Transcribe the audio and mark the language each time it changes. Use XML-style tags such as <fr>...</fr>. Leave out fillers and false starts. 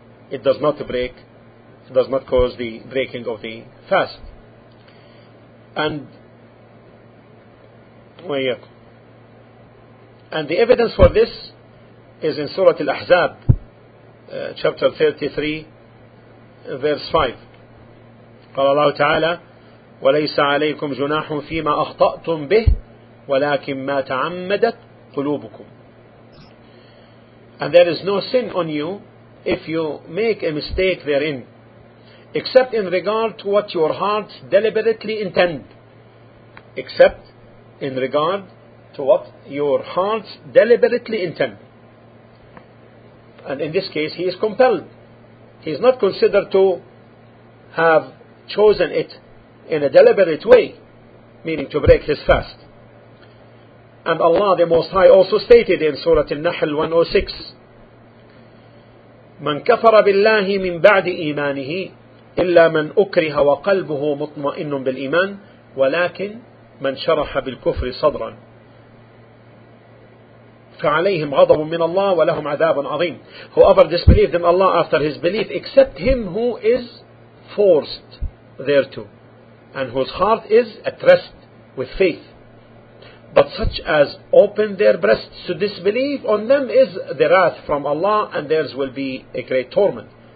<en>It does not break, it does not cause the breaking of the fast. And the evidence for this is in Surah Al-Ahzab, chapter 33, verse 5.</en> <ar>قال الله تعالى وليس عليكم جناح فيما أخطأتم به ولكن ما تعمدت قلوبكم.</ar> <en>And there is no sin on you if you make a mistake therein, except in regard to what your hearts deliberately intend. Except in regard to what your hearts deliberately intend. And in this case, he is compelled. He is not considered to have chosen it in a deliberate way, meaning to break his fast. And Allah the Most High also stated in Surah An-Nahl 106,</en> <ar>من كفر بالله من بعد إيمانه إلا من أكره وقلبه مطمئن بالإيمان ولكن من شرح بالكفر صدرا. يشكو عليهم غضب من الله ولهم عذاب عظيم.</ar> <en>Whoever disbelieved in Allah after his belief, except him who is forced thereto, and whose heart is at rest with faith. But such as open their breasts to disbelief, on them is the wrath from Allah, and theirs will be a great torment.</en>